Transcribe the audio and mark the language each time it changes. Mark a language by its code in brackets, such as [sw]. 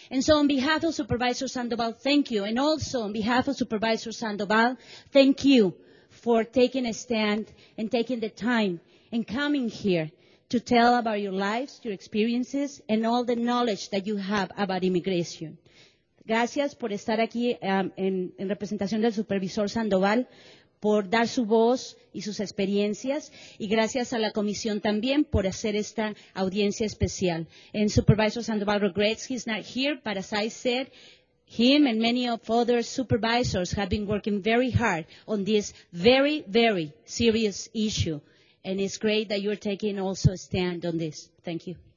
[en] And so on behalf of Supervisor Sandoval, thank you. And also on behalf of Supervisor Sandoval, thank you for taking a stand and taking the time and coming here to tell about your lives, your experiences, and all the knowledge that you have about immigration. [es] Gracias por estar aquí en representación del Supervisor Sandoval, por dar su voz y sus experiencias, y gracias a la Comisión también por hacer esta audiencia especial. [en] And Supervisor Sandoval regrets he's not here, but as I said, him and many of other supervisors have been working very hard on this very, very serious issue. And it's great that you're taking also a stand on this. Thank you.